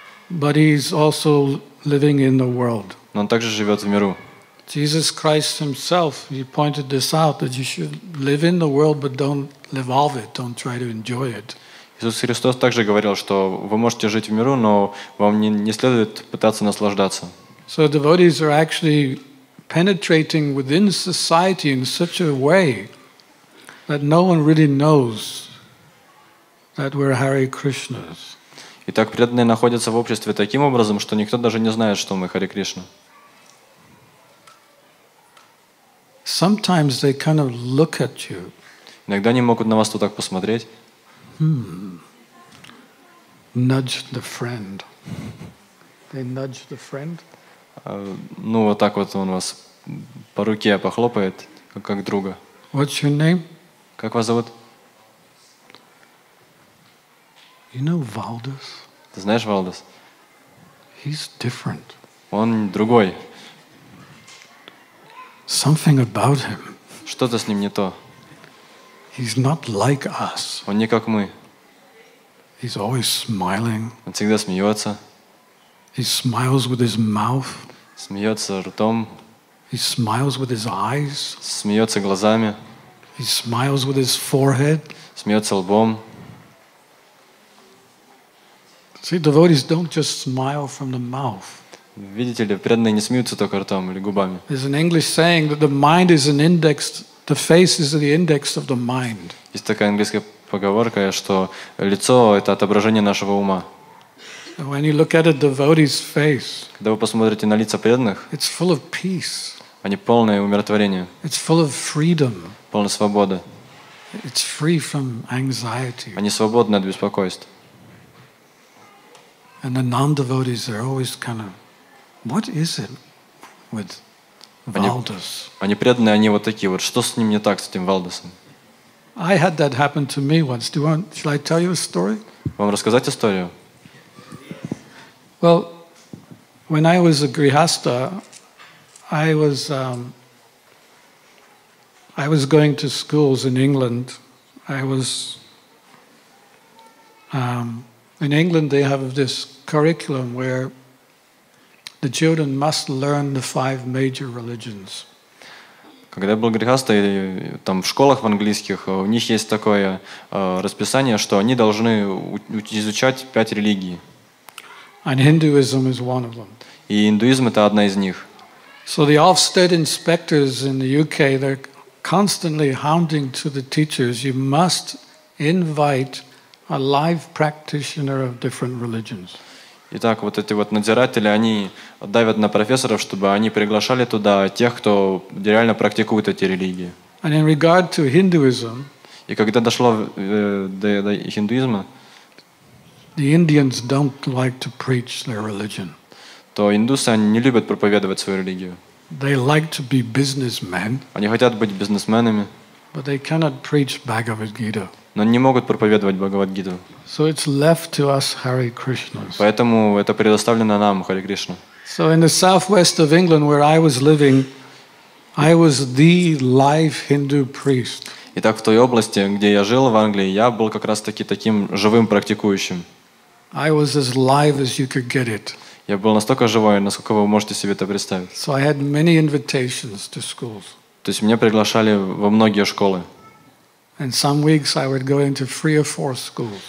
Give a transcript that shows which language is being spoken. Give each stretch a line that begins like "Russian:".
English: But he's also living in the world.
Russian: Но он также живет в миру.
English: Jesus Christ himself, he pointed this out, that you should live in the world, but don't live off it, don't try to enjoy it.
Russian: Иисус Христос также говорил, что вы можете жить в миру, но вам не следует пытаться наслаждаться.
English: So devotees are actually penetrating within society in such a way that no one really knows that we're Hare Krishnas.
Russian: Итак, преданные находятся в обществе таким образом, что никто даже не знает, что мы Харе Кришна.
English: Sometimes they kind of look at you.
Russian: Иногда они могут на вас вот так посмотреть.
English: Nudge the friend. They nudge the friend.
Russian: Ну вот так вот он вас по руке похлопает, как друга.
English: What's your name?
Russian: Как вас зовут?
English: You know Valdis?
Russian: Ты знаешь Валдис?
English: He's different.
Russian: Он другой.
English: Something about him.
Russian: Что-то с ним не то.
English: He's not like us.
Russian: Он не как мы.
English: He's always smiling.
Russian: Он всегда смеется.
English: He smiles with his mouth.
Russian: Смеется ртом.
English: He smiles with his eyes.
Russian: Смеется глазами.
English: He smiles with his forehead.
Russian: Смеется лбом.
English: See, devotees don't just smile from the mouth.
Russian: Видите ли, преданные не смеются только ртом или губами.
English: There's an English saying that the mind is an index, the face is the index of the mind.
Russian: Есть такая английская поговорка, что лицо — это отображение нашего ума.
English: When you look at a devotee's face,
Russian: когда вы посмотрите на лица преданных,
English: it's full of peace.
Russian: Они полные умиротворения.
English: It's full of freedom.
Russian: Полны свободы.
English: It's free from anxiety.
Russian: Они свободны от беспокойств.
English: And the non-devotees are always kind of, what is it with Valdis?
Russian: Они преданные, они вот такие вот. Что с ним не так, с этим Валдисом?
English: I had that happen to me once. Shall I tell you a story?
Russian: Вам рассказать историю?
English: Well, when I was a grihastha, I was going to schools in England. In England they have this curriculum where the children must learn the five major religions.
Russian: Когда я был грехастой, там в школах в английских, у них есть такое расписание, что они должны изучать пять религий.
English: And Hinduism is one of them.
Russian: И индуизм — это одна из них.
English: So the Ofsted inspectors in the UK, they're constantly hounding to the teachers, you must invite a live practitioner of different religions.
Russian: Итак, вот эти вот надзиратели, они давят на профессоров, чтобы они приглашали туда тех, кто реально практикует эти религии.
English: And in regard to Hinduism,
Russian: и когда дошло до индуизма,
English: the Indians don't like to preach their religion.
Russian: То индусы, они не любят проповедовать свою религию.
English: They like to be businessmen.
Russian: Они хотят быть бизнесменами.
English: But they cannot preach Bhagavad Gita.
Russian: Но они не могут проповедовать Бхагавад-гиту.
English: So it's left to us, Hare Krishnas.
Russian: Поэтому это предоставлено нам, Харе Кришна.
English: So in the southwest of England, where I was living, I was the live Hindu priest.
Russian: Итак, в той области, где я жил в Англии, я был как раз-таки таким живым практикующим.
English: I was as live as you could get it.
Russian: Я был настолько живой, насколько вы можете себе это представить.
English: So I had many invitations to schools.
Russian: То есть меня приглашали во многие школы.
English: And some weeks I would go into three or four schools.